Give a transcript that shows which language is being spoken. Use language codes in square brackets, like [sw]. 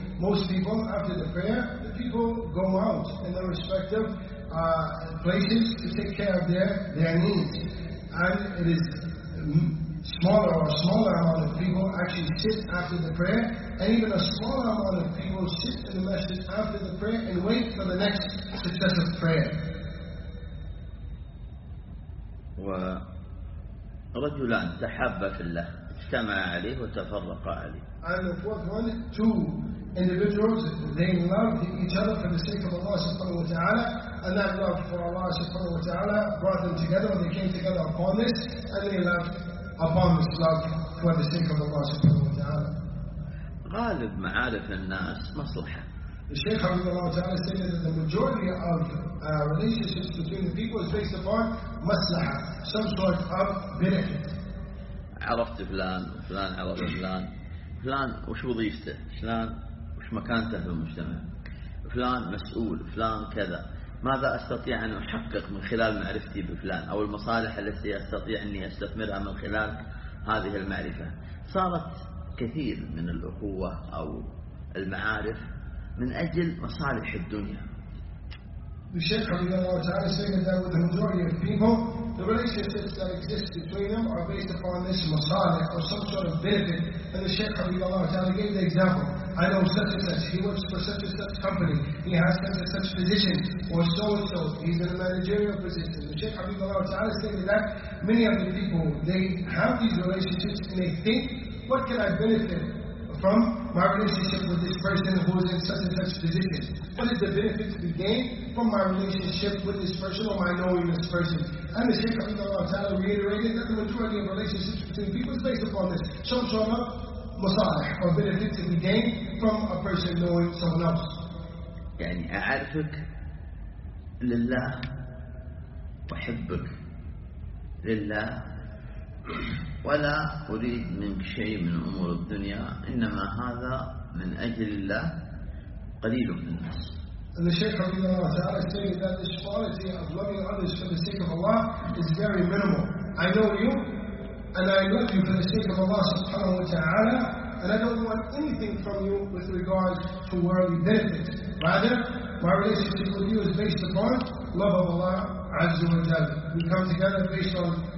[en] Most people, after the prayer, the people go out in their respective places to take care of their needs. And it is smaller amount of people actually sit after the prayer, and even a smaller amount of people sit in the masjid after the prayer and wait for the next successive prayer. [ar] ورجلان تحابا في الله اجتمع عليه وتفرقا عليه. [en] And the fourth one, two individuals, they love each other for the sake of Allah subhanahu wa ta'ala, and that love for Allah subhanahu wa ta'ala brought them together when they came together upon this, and they left upon this love for the sake of Allah subhanahu wa ta'ala. [ar] غالب معارف الناس مصلحة. [en] The Shaykh Habibullah Ta'ala stated that the majority of relationships between the people is based upon maslaha, some sort of benefit. [ar] عرفت فلان وفلان عرف فلان. فلان وش وظيفته؟ فلان وش مكانته في المجتمع؟ فلان مسؤول، فلان كذا. ماذا أستطيع أن أحقق من خلال معرفتي بفلان؟ أو المصالح التي أستطيع أني أستثمرها من خلال هذه المعرفة؟ صارت كثير من الأخوة أو المعارف من أجل مصالح الدنيا. الشيخ رضي الله تعالى [en] said that with the majority of people, the relationships that exist between them are based upon this masalih or some sort of benefit. And the Shaykh [ar] رضي الله تعالى [en] gave the example. I know such and such, he works for such and such company, he has such and such position, or so and so, he's in a managerial position. The Shaykh [ar] رضي الله تعالى [en] stated that many of the people, they have these relationships and they think, what can I benefit from my relationship with this person who is in such and such position? What is the benefit to be gained from my relationship with this person or my knowing this person? And the Shaykh Abdullah Ta'ala reiterated that the majority of relationships between people is based upon this. Some sort of masalih or benefit to be gained from a person knowing someone else. [ar] يعني أعرفك لله وحبك لله ولا أريد منك شيء من أمور الدنيا إنما هذا من أجل الله قليل من الناس. [en] And the Shaykh Abdullah Ta'ala stated that this quality of loving others for the sake of Allah is very minimal. I know you, and I love you for the sake of Allah subhanahu wa ta'ala, and I don't want anything from you with regard to worldly benefits. Rather, my relationship with you is based upon love of Allah azza wa jalla. We come together based on